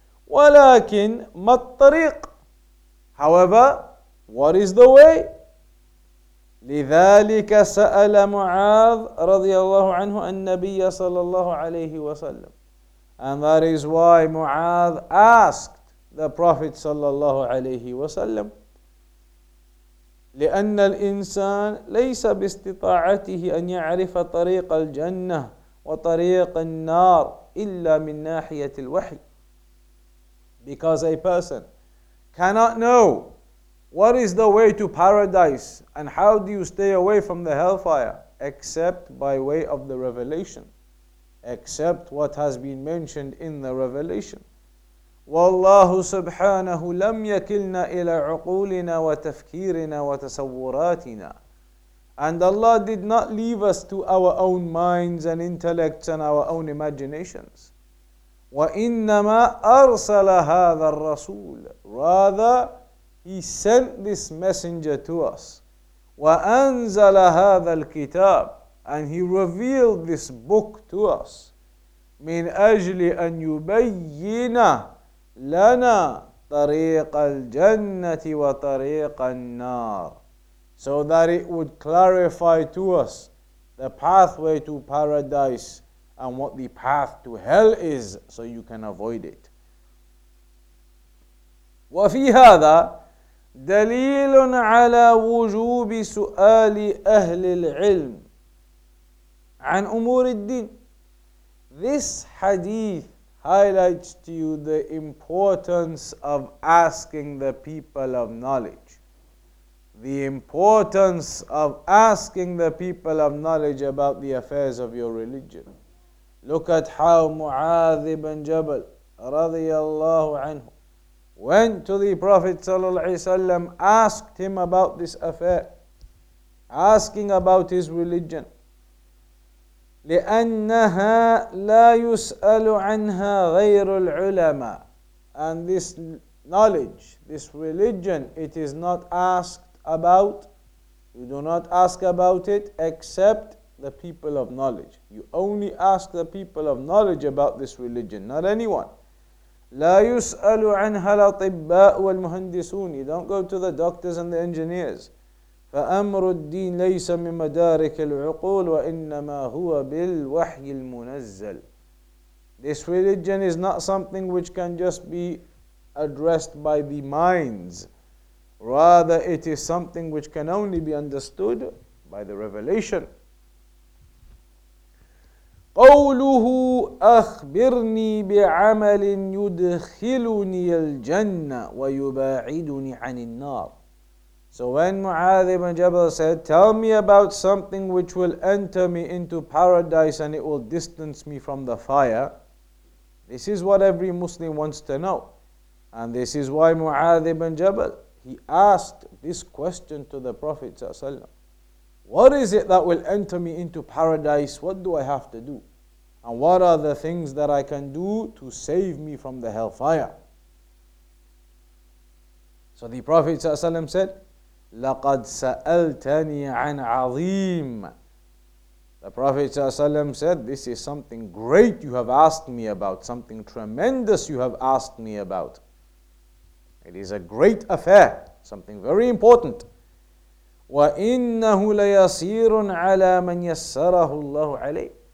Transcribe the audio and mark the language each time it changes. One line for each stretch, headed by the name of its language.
Arabic: وَلَكِنْ مَطْطَرِيقِ.
English: However, what is the way?
Arabic: لِذَلِكَ سَأَلَ مُعَاذ رَضِيَ اللَّهُ عَنْهُ النَّبِيَّ صَلَى اللَّهُ عَلَيْهِ وَسَلَّمُ.
English: And that is why Mu'adh asked the Prophet
Arabic: صلى الله عليه وسلم. لأن الإنسان ليس باستطاعته أن يعرف طريق الجنة وطريق النار إلا من ناحية الوحي.
English: Because a person cannot know what is the way to paradise and how do you stay away from the hellfire except by way of the revelation, except what has been mentioned in the revelation.
Arabic: والله سبحانه لم يكلنا إلى عقولنا وتفكيرنا وتصوراتنا.
English: And Allah did not leave us to our own minds and intellects and our own imaginations.
Arabic: وإنما أرسل هذا الرسول.
English: Rather, He sent this messenger to us.
Arabic: وأنزل هذا الكتاب.
English: And He revealed this book to us.
Arabic: من أجل أن يبين لنا طريق الجنة وطريق النار.
English: So that it would clarify to us the pathway to paradise and what the path to hell is, so you can avoid it.
Arabic: وفي هذا دليل على وجوب سؤال أهل العلم عن أمور الدين.
English: This hadith highlights to you the importance of asking the people of knowledge. The importance of asking the people of knowledge about the affairs of your religion. Look at how Mu'adh ibn Jabal
Arabic: radiyallahu anhu
English: went to the Prophet
Arabic: sallallahu alayhi wa sallam,
English: asked him about this affair, asking about his religion.
Arabic: لأنها لا يسأل عنها غير العلماء.
English: And this knowledge, this religion, it is not asked about. You do not ask about it except the people of knowledge. You only ask the people of knowledge about this religion, not anyone.
Arabic: لا يسأل عنها الأطباء والمهندسون.
English: You don't go to the doctors and the engineers.
Arabic: فأمر الدين ليس من مدارك العقول وإنما هو بالوحي المنزل.
English: This religion is not something which can just be addressed by the minds. Rather, it is something which can only be understood by the revelation. قوله أخبرني بعمل يدخلني الجنة ويباعدني عن النار. So when Mu'adh ibn Jabal said, tell me about something which will enter me into paradise and it will distance me from the fire. This is what every Muslim wants to know. And this is why Mu'adh ibn Jabal, he asked this question to the Prophet ﷺ. What is it that will enter me into paradise? What do I have to do? And what are the things that I can do to save me from the hellfire? So the Prophet ﷺ said,
Arabic: لَقَدْ سَأَلْتَنِي عَنْ عَظِيمٍ.
English: The Prophet ﷺ said, this is something great you have asked me about, something tremendous you have asked me about. It is a great affair, something very important.
Arabic: وَإِنَّهُ لَيَصِيرٌ عَلَى مَنْ يَسَّرَهُ اللَّهُ عَلَيْهِ.